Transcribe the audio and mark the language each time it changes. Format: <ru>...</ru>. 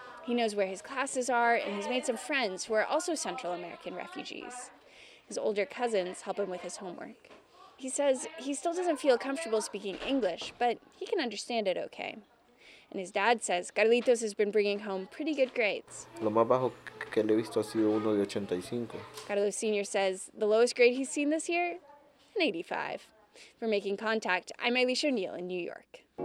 <en>He knows where his classes are, and he's made some friends who are also Central American refugees. His older cousins help him with his homework. He says he still doesn't feel comfortable speaking English, but he can understand it okay. And his dad says Carlitos has been bringing home pretty good grades.</en> <es>Lo más bajo que le he visto ha sido uno de 85.</es> <en>Carlos Sr. says the lowest grade he's seen this year, an 85. For Making Contact, I'm Alicia O'Neill in New York.</en>